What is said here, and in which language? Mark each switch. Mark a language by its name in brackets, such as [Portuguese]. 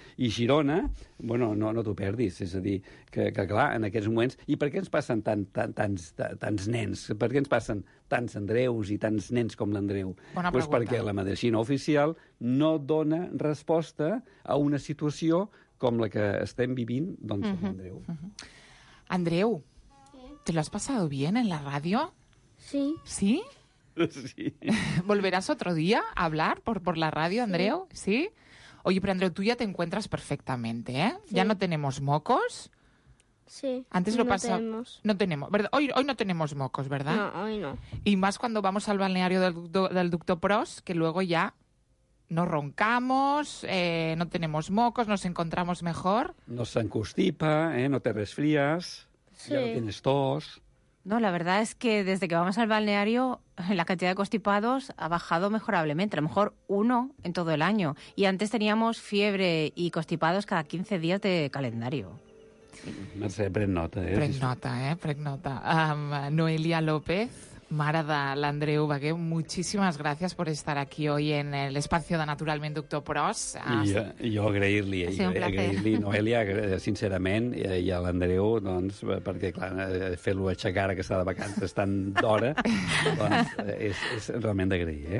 [Catalan] I Girona, bueno, no t'ho perdis. És a dir, que clar, en aquests moments... I per què ens passen tants nens? Per què ens passen tants Andreus i tants nens com l'Andreu? [Spanish] Pues [Catalan] perquè la medicina oficial no dona resposta a una situació com la que estem vivint, doncs, amb l'Andreu. Uh-huh. [Spanish] Andreu, ¿te lo has pasado bien en la radio? Sí. Sí? ¿Volverás otro día a hablar por la radio, Andreu? Sí. ¿Sí? Oye, pero Andreu, tú ya te encuentras perfectamente, ¿eh? Sí. Ya no tenemos mocos. Sí, antes lo pasa... tenemos. No tenemos. ¿Verdad? Hoy no tenemos mocos, ¿verdad? No, hoy no. Y más cuando vamos al balneario del Ducto Pros, que luego ya no roncamos, no tenemos mocos, nos encontramos mejor. No se encustipa, ¿eh? No te resfrías, sí. Ya no tienes tos... No, la verdad es que desde que vamos al balneario, la cantidad de constipados ha bajado mejorablemente, a lo mejor uno en todo el año. Y antes teníamos fiebre y constipados cada 15 días de calendario. [Catalan] Mercè, pren nota. Pren nota. [Spanish] Noelia López, [Catalan] mare de [Spanish] l'Andreu Bagué, muchísimas gracias por estar aquí hoy en el espacio de Naturalment Doctor Pros. [Catalan] Jo agrair-li. Agrair-li, Noelia, sincerament, i a l'Andreu, doncs, perquè, clar, fer-lo aixecar que està de vacances tant d'hora, doncs, és realment d'agrair, eh?